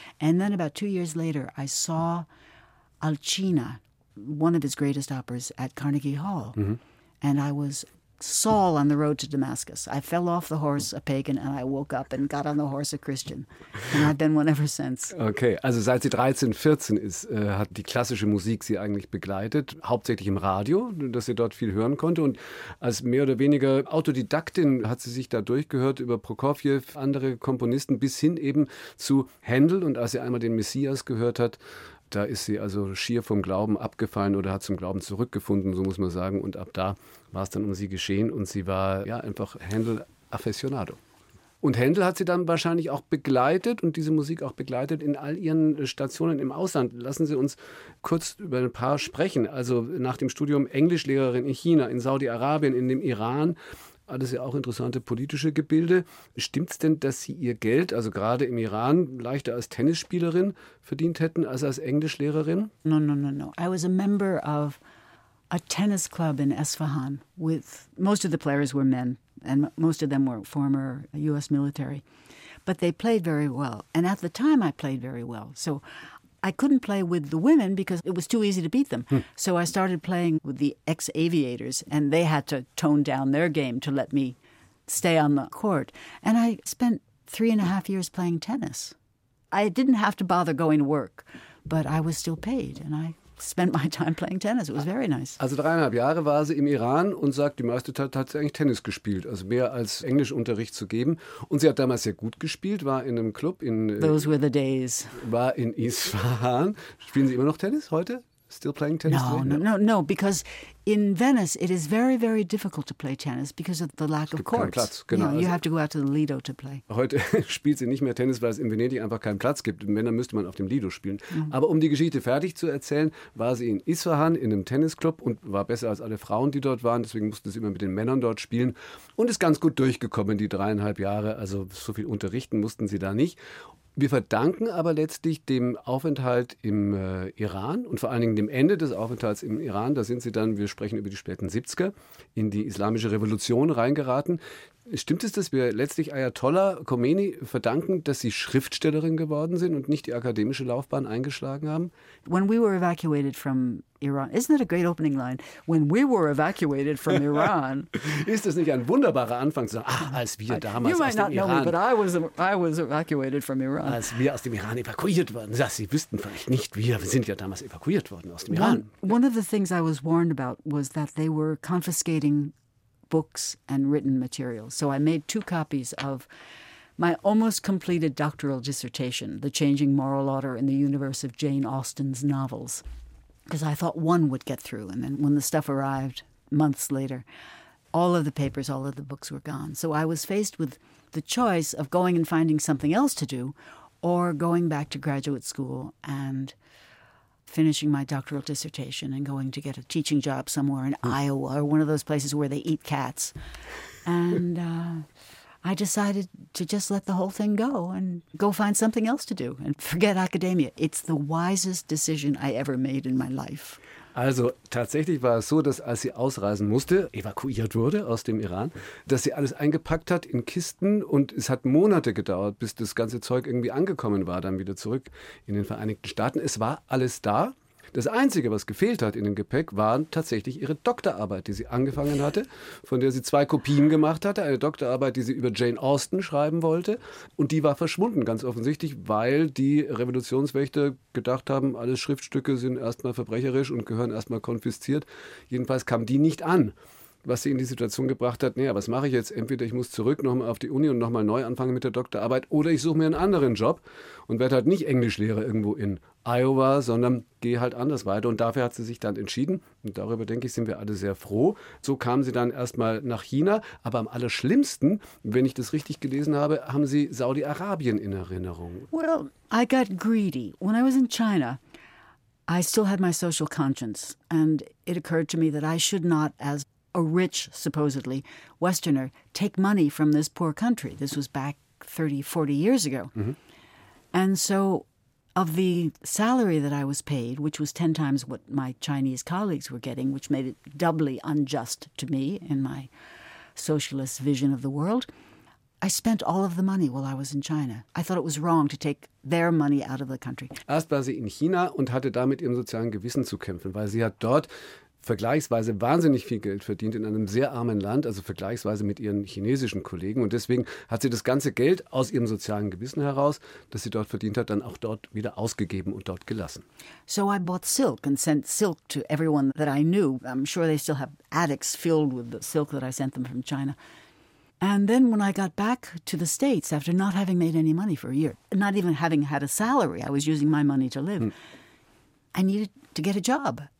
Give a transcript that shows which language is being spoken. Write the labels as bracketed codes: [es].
[en] And then about 2 years later, I saw Alcina, one of his greatest operas, at Carnegie Hall. Mm-hmm. And I was Saul on the road to Damascus. I fell off the horse, a pagan, and I woke up and got on the horse, a Christian. And I've been one ever since. [de] Okay, also seit sie 13, 14 ist, hat die klassische Musik sie eigentlich begleitet, hauptsächlich im Radio, dass sie dort viel hören konnte. Und als mehr oder weniger Autodidaktin hat sie sich da durchgehört über Prokofjew, andere Komponisten, bis hin eben zu Händel. Und als sie einmal den Messias gehört hat, da ist sie also schier vom Glauben abgefallen oder hat zum Glauben zurückgefunden, so muss man sagen. Und ab da war es dann um sie geschehen und sie war ja einfach Händel-Affessionado. Und Händel hat sie dann wahrscheinlich auch begleitet und diese Musik auch begleitet in all ihren Stationen im Ausland. Lassen Sie uns kurz über ein paar sprechen. Also nach dem Studium Englischlehrerin in China, in Saudi-Arabien, in dem Iran. Alles ja auch interessante politische Gebilde. Stimmt es denn, dass Sie Ihr Geld, also gerade im Iran, leichter als Tennisspielerin verdient hätten als als Englischlehrerin? [en] No. I was a member of a tennis club in Esfahan with most of the players were men and most of them were former U.S. military. But they played very well. And at the time I played very well. So I couldn't play with the women because it was too easy to beat them. So I started playing with the ex-aviators and they had to tone down their game to let me stay on the court. And I spent 3.5 years playing tennis. I didn't have to bother going to work, but I was still paid and I spent my time playing tennis. It was very nice. [de] Also 3.5 Jahre war sie im Iran und sagt, die meiste Zeit hat sie eigentlich Tennis gespielt, also mehr als Englischunterricht zu geben. Und sie hat damals sehr gut gespielt, war in einem Club in... [en] Those were the days. [de] War in Isfahan. Spielen Sie immer noch Tennis heute? [en] Still playing tennis? No, because in Venice it is very, very difficult to play tennis because of the lack of courts. [de] Es gibt keinen Platz, genau. [en] You know, you have to go out to the Lido to play. [de] Heute spielt sie nicht mehr Tennis, weil es in Venedig einfach keinen Platz gibt. Männer müsste man auf dem Lido spielen. Mm-hmm. Aber um die Geschichte fertig zu erzählen, war sie in Isfahan in einem Tennisclub und war besser als alle Frauen, die dort waren. Deswegen musste sie immer mit den Männern dort spielen und ist ganz gut durchgekommen, die 3.5 Jahre. Also so viel unterrichten mussten sie da nicht. Wir verdanken aber letztlich dem Aufenthalt im Iran und vor allen Dingen dem Ende des Aufenthalts im Iran, da sind Sie dann, wir sprechen über die späten 70er, in die Islamische Revolution reingeraten. Stimmt es, dass wir letztlich Ayatollah Khomeini verdanken, dass Sie Schriftstellerin geworden sind und nicht die akademische Laufbahn eingeschlagen haben? [en] When we were evacuated from Iran, isn't that a great opening line? When we were evacuated from Iran. [de] Ist das nicht ein wunderbarer Anfang zu sagen, ach, als wir damals aus dem Iran. [en] You might not know me, but I was evacuated from Iran. [de] Als wir aus dem Iran evakuiert wurden. Sie wüssten vielleicht nicht, wir sind ja damals evakuiert worden aus dem Iran. [en] One of the things I was warned about was that they were confiscating books and written material. So I made 2 copies of my almost completed doctoral dissertation, The Changing Moral Order in the Universe of Jane Austen's Novels, because I thought one would get through. And then when the stuff arrived months later, all of the papers, all of the books were gone. So I was faced with the choice of going and finding something else to do or going back to graduate school and finishing my doctoral dissertation and going to get a teaching job somewhere in Iowa or one of those places where they eat cats. And I decided to just let the whole thing go and go find something else to do and forget academia. It's the wisest decision I ever made in my life. [de] Also tatsächlich war es so, dass als sie ausreisen musste, evakuiert wurde aus dem Iran, dass sie alles eingepackt hat in Kisten und es hat Monate gedauert, bis das ganze Zeug irgendwie angekommen war, dann wieder zurück in den Vereinigten Staaten. Es war alles da. Das Einzige, was gefehlt hat in dem Gepäck, waren tatsächlich ihre Doktorarbeit, die sie angefangen hatte, von der sie 2 Kopien gemacht hatte, eine Doktorarbeit, die sie über Jane Austen schreiben wollte. Und die war verschwunden, ganz offensichtlich, weil die Revolutionswächter gedacht haben, alle Schriftstücke sind erstmal verbrecherisch und gehören erstmal konfisziert. Jedenfalls kam die nicht an. was sie in die Situation gebracht hat, naja, was mache ich jetzt? Entweder ich muss zurück nochmal auf die Uni und nochmal neu anfangen mit der Doktorarbeit oder ich suche mir einen anderen Job und werde halt nicht Englischlehrer irgendwo in Iowa, sondern gehe halt anders weiter. Und dafür hat sie sich dann entschieden. Und darüber, denke ich, sind wir alle sehr froh. So kam sie dann erstmal nach China. Aber am allerschlimmsten, wenn ich das richtig gelesen habe, haben sie Saudi-Arabien in Erinnerung. [en] Well, I got greedy. When I was in China, I still had my social conscience. And it occurred to me that I should not, as a rich, supposedly, Westerner, take money from this poor country. This was back 30, 40 years ago. Mm-hmm. And so of the salary that I was paid, which was 10 times what my Chinese colleagues were getting, which made it doubly unjust to me in my socialist vision of the world, I spent all of the money while I was in China. I thought it was wrong to take their money out of the country. [de] Erst war sie in China und hatte da mit ihrem sozialen Gewissen zu kämpfen, weil sie hat dort vergleichsweise wahnsinnig viel Geld verdient in einem sehr armen Land, also vergleichsweise mit ihren chinesischen Kollegen. Und deswegen hat sie das ganze Geld aus ihrem sozialen Gewissen heraus, das sie dort verdient hat, dann auch dort wieder ausgegeben und dort gelassen. [en] So I bought silk and sent silk to everyone that I knew. I'm sure they still have attics filled with the silk that I sent them from China. And then when I got back to the States, after not having made any money for a year, not even having had a salary, I was using my money to live, I needed to get a job.